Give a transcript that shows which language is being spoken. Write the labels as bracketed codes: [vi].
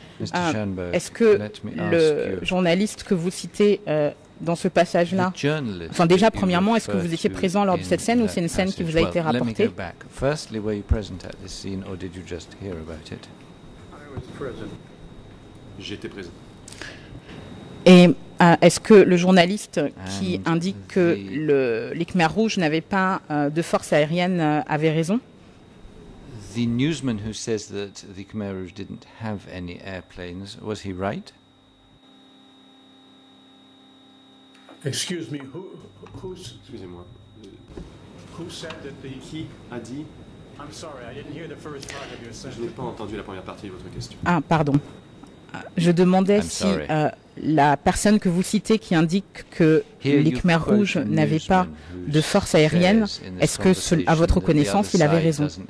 [fr] Est-ce que le journaliste que vous citez dans ce passage-là, enfin déjà premièrement, est-ce que vous étiez présent lors de cette scène ou c'est une scène qui vous a été rapportée? [en] Firstly, were you present at this scene or did you just hear about it? [fr] J'étais présent. Et est-ce que le journaliste qui indique que les Khmers rouges n'avaient pas de forces aériennes avait raison? [en] The newsman who says that the Khmer Rouge didn't have any airplanes, was he right? Excuse me, who said that the... [fr] Qui a dit... [en] I'm sorry, I didn't hear the first part of your sentence. [fr] Je n'ai pas entendu la première partie de votre question. Ah, pardon. Je demandais si la personne que vous citez qui indique que les Khmers Rouges n'avaient pas de force aérienne, est-ce que, à votre connaissance, il avait raison?